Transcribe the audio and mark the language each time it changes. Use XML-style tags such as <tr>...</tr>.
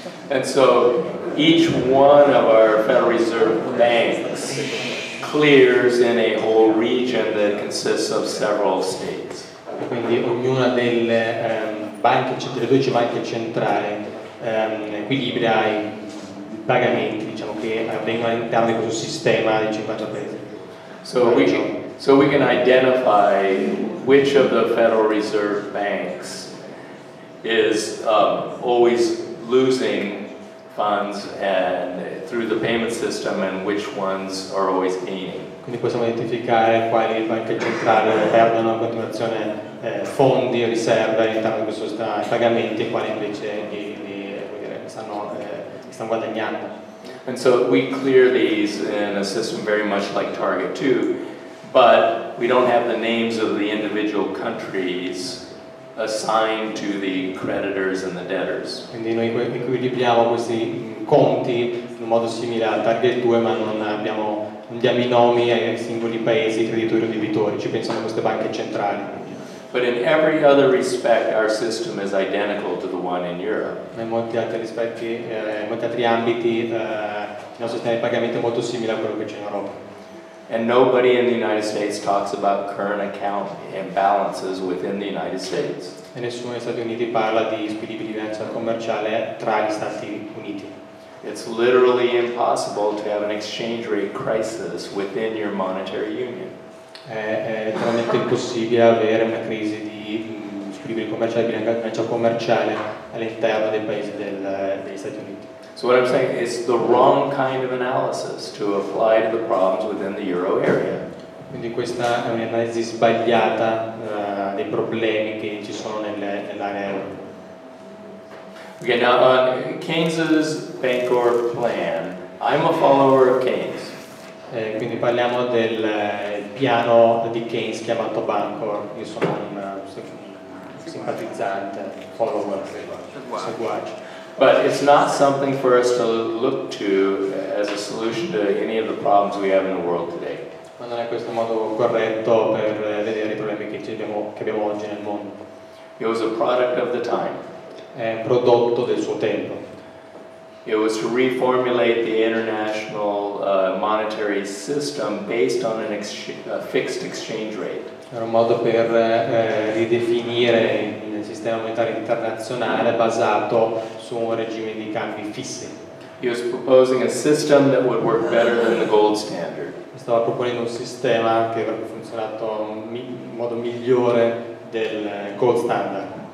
<en>And so each one of our Federal Reserve banks clears in a whole region that consists of several states.</en> <it>Quindi ognuna delle banche, delle 12 banche centrali equilibra i pagamenti, diciamo, che avvengono all'interno di questo sistema di 50 paesi.</it> <en>So we can identify which of the Federal Reserve banks is always losing funds and through the payment system, and which ones are always gaining.</en> <it>Quindi possiamo identificare quali banche centrali perdono a continuazione fondi o riserve all'interno di questo sistema di pagamenti e quali invece stanno guadagnando.</it> <en>And so we clear these in a system very much like Target 2, but we don't have the names of the individual countries assigned to the creditors and the debtors.</en> <it>Quindi noi equilibriamo questi conti in un modo simile a Target 2, ma non diamo i nomi ai singoli paesi, creditori o debitori, ci pensano queste banche centrali.</it> <en>But in every other respect our system is identical to the one in Europe.</en> <it>In molti altri rispetti, in molti altri ambiti, il nostro sistema di pagamento è molto simile a quello che c'è in Europa.</it> <en>And nobody in the United States talks about current account imbalances within the United States.</en> <it>E nessuno negli Stati Uniti parla di squilibrio commerciale tra gli Stati Uniti.</it> <en>It's literally impossible to have an exchange rate crisis within your monetary union.</en> <it>È letteralmente impossibile avere una crisi di squilibrio commerciale, bilancio commerciale all'interno dei paesi degli Stati Uniti.</it> <en>So what I'm saying is the wrong kind of analysis to apply to the problems within the euro area.</en> <it>Quindi questa è un'analisi sbagliata dei problemi che ci sono nell'area euro.</it> <en>Okay, now on Keynes's Bancorp plan, I'm a follower of Keynes.</en> <it>Quindi parliamo del piano di Keynes chiamato Bancorp. Io sono un simpatizzante, follower, seguace.</it> <en>But it's not something for us to look to as a solution to any of the problems we have in the world today.</en> <it>Ma non è questo modo corretto per vedere i problemi che abbiamo oggi nel mondo.</it> <en>It was a product of the time.</en> <it>È un prodotto del suo tempo.</it> <en>It was to reformulate the international monetary system based on a fixed exchange rate.</en> <it>Era un modo per ridefinire il sistema monetario internazionale basato su un regime di cambi fissi.</it> <en>He was proposing a system that would work better than the gold standard.</en> <it>Stava proponendo un sistema che avrebbe funzionato in modo migliore del gold standard.</it>